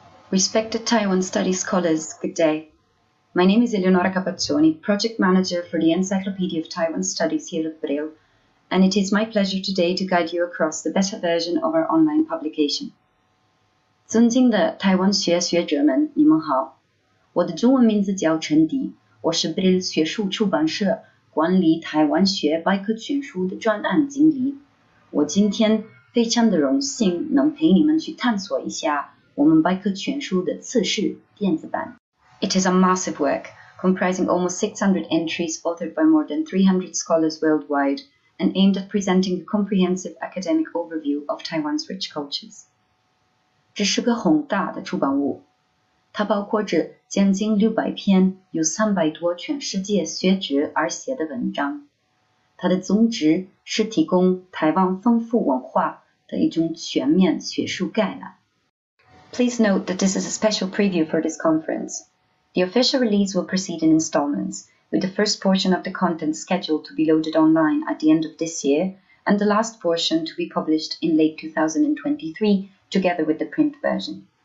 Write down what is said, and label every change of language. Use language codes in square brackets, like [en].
[en] Respected Taiwan Studies scholars, good day. My name is Eleonora Capazzoni, project manager for the Encyclopedia of Taiwan Studies here at Brill, and it is my pleasure today to guide you across the better version of our online publication. [zh] 尊敬的 Taiwan 学学者们，你们好。我的中文名字叫陈迪，我是 Brill 学术出版社管理台湾学百科全书的专案经理。我今天非常的荣幸能陪你们去探索一下。 [en] It is a massive work, comprising almost 600 entries authored by more than 300 scholars worldwide and aimed at presenting a comprehensive academic overview of Taiwan's rich cultures. [zh] 这是个宏大的出版物，它包括着将近600篇、有300多全世界学者而写的文章。它的宗旨是提供台湾丰富文化的一种全面学术概览。 [en] Please note that this is a special preview for this conference. The official release will proceed in installments, with the first portion of the content scheduled to be loaded online at the end of this year, and the last portion to be published in late 2023, together with the print version.